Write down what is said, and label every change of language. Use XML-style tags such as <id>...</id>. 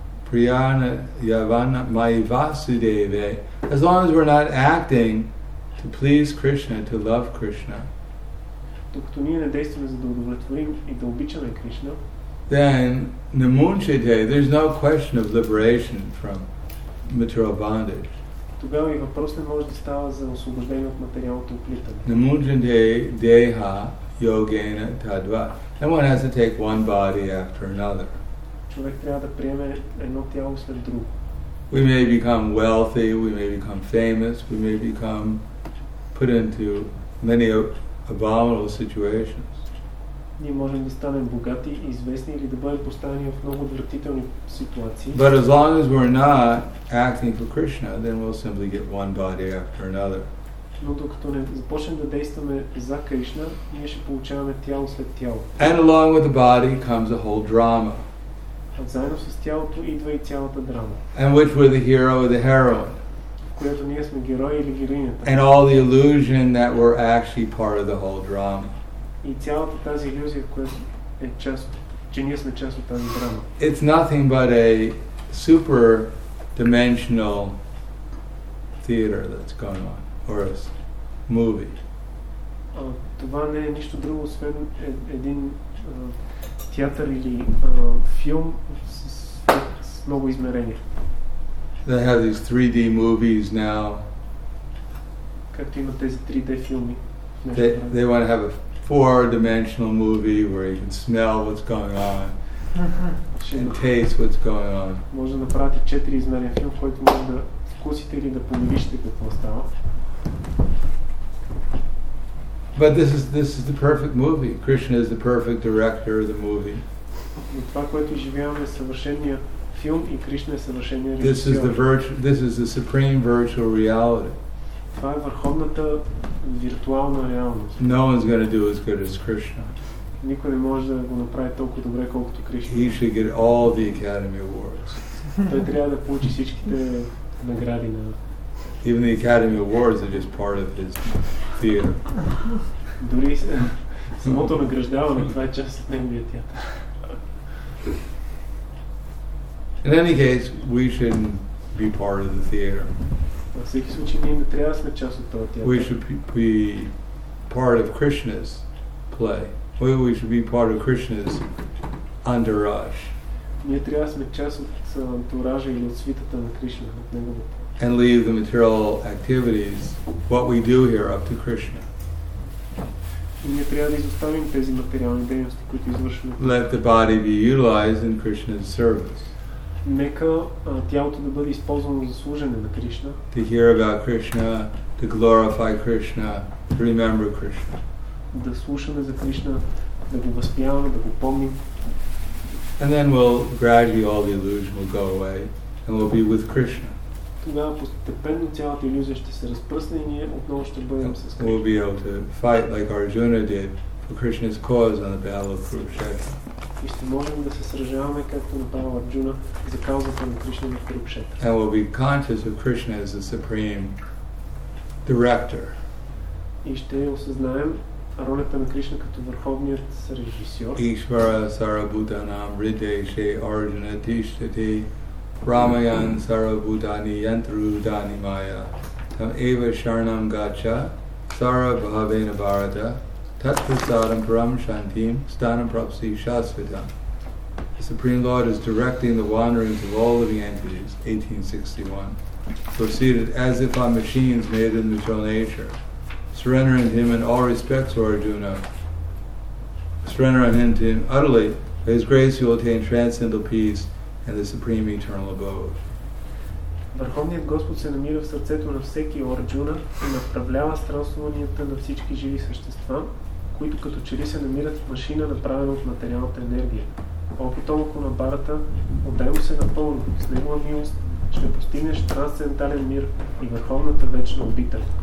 <sa>Priyana Yavana Mayivasudeve,</sa> <en>as long as we're not acting to please Krishna, to love Krishna,</en> <bg>докато ние не действаме за да удовлетворим и да обичаме Кришна,</bg> <en>then Namunchite, there's no question of liberation from material bondage.</en> <bg>Тогава и въпрос не може да става за освобождение от материалното оплитане.</bg> <sa>Namunchite Deha Yogena Tadva.</sa> <en>And one has to take one body after another.</en> <bg>Човек трябва да приеме едно тяло след друго.</bg> <en>We may become wealthy, we may become famous, we may become put into many abominable situations.</en> <bg>Ние можем да станем богати, известни или да бъдем поставени в много отвратителни ситуации.</bg> <en>But as long as we're not acting for Krishna, then we'll simply get one body after another.</en> <bg>но докато не започнем да действаме за Кришна, ние ще получаваме тяло след тяло.</bg> <en>And along with the body comes a whole drama.</en> <bg>А заедно с тялото идва и цялата драма.</bg> <en>And which we're the hero or the heroine.</en> <bg>Която ние сме герои или героинята.</bg> <en>And all the illusion that we're actually part of the whole drama.</en> <bg>И цялата тази иллюзия, която е част, че ние сме част от тази драма.</bg> <en>It's nothing but a super dimensional theater that's going on, or a movie.</en> <bg>Това не е нищо друго, освен един театър или филм с много измерения.</bg> <en>They have these 3D movies now.</en> <bg>Както има тези 3D филми.</bg> <en>They want to have a four-dimensional movie where you can smell what's going on and taste what's going on.</en> <bg>Може да прати 4 измерения филм, който може да вкусите или да помиришете какво става.</bg> <en>But this is the perfect movie. Krishna is the perfect director of the movie.</en> <bg>Това, което живяваме, е съвършения филм и Кришна е съвършения режисьор.</bg> <en>This is the supreme virtual reality.</en> <bg>Това е върховната виртуална реалност.</bg> <en>No one's going to do as good as Krishna.</en> <bg>Никой не може да го направи толкова добре колкото Кришна.</bg> <en>He should get all the Academy Awards.</en> <bg>Той трябва да получи всичките награди на.</bg> <en>Even the Academy Awards are just part of his theater.</en> <bg>Дори самото награждаване, това е част от неговия театър.</bg> <en>In any case, we shouldn't be part of the theater.</en> <bg>Във всеки случай ние не трябва да сме част от този театър.</bg> <en>We should be part of Krishna's play. We should be part of Krishna's entourage.</en> <bg>Ние трябва да сме част от антуража или от свитата на Кришна, от неговото.</bg> <en>And leave the material activities, what we do here, up to Krishna.</en> <bg>Ние трябва да изоставим тези материални дейности, които извършваме.</bg> <en>Let the body be utilized in Krishna's service.</en> <bg>Нека тялото да бъде използвано за служене на Кришна.</bg> <en>To hear about Krishna, to glorify Krishna, to remember Krishna.</en> <bg>Да слушаме за Кришна, да го възпяваме, да го помним.</bg> <en>And then we'll gradually all the illusion will go away and we'll be with Krishna.</en> <bg>Тогава постепенно цялата иллюзия ще се разпръсне и ние отново ще бъдем с Кришна.</bg> <en>We'll be able to fight like Arjuna did for Krishna's cause on the battle of Kurukshetra.</en> <bg>И ще можем да се сражаваме, както направил Арджуна, за каузата на Кришна в Курукшетра.</bg> <en>And we'll be conscious of Krishna as the supreme director.</en> <bg>И ще осъзнаем ролята на Кришна като върховният режисьор.</bg> <sa>Ishvara Sarabhutanam Riddheshe Arjuna Tishtati Ramayan Sarabhutani Yantrudani Maya Tam Eva Sharnam Gacha Sarabhavena Bharata Tatprasadam Param Shantim Stanam Prapsi Shasvatam.</sa> <en>The Supreme Lord is directing the wanderings of all living entities, 1861. Proceeded as if on machines made in material nature. Surrendering him in all respects, O Arjuna. Surrendering him to him utterly, by his grace you will attain transcendental peace and the supreme eternal abode.</en> <bg>Върховният Господ се намира в сърцето на всеки Арджуна и направлява странствуванията на всички живи същества, които като че ли се намират в машина, направена от материалната енергия. О, потомък на Барата, отдай му се напълно, с негова милост, ще постигнеш трансцендентален мир и върховната вечна обител.</bg>